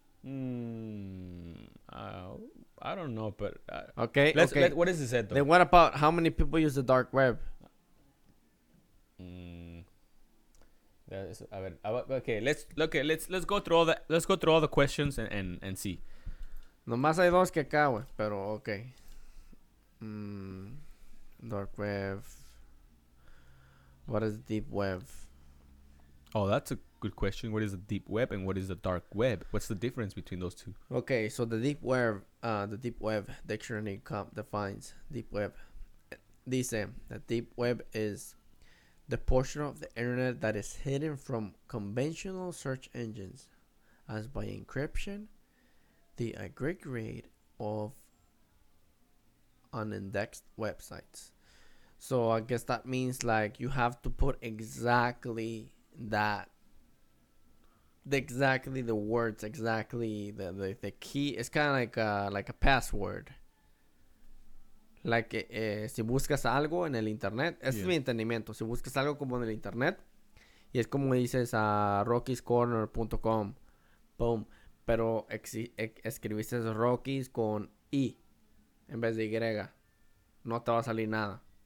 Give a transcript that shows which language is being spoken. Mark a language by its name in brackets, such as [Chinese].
[English] I don't know, but... okay, What is it said, though? Then what about how many people use the dark web? [Spanish] A ver, [English] okay, let's go through all the questions and see. [Spanish] Nomás hay dos que acá, güey, pero okay. [English] Dark web. What is the deep web? Oh, that's a good question. What is the deep web and what is the dark web? What's the difference between those two? Okay, so the deep web dictionary defines deep web. Dice, the deep web is the portion of the internet that is hidden from conventional search engines, as by encryption, the aggregate of unindexed websites. So I guess that means like you have to put exactly that, exactly the words, exactly the key. It's kind of like a password. [Spanish] Like, si buscas algo en el internet, ese yeah. Es mi entendimiento. Si buscas algo como en el internet, y es como dices a rockiescorner.com, boom, pero escribiste Rockies con I en vez de Y, no te va a salir nada.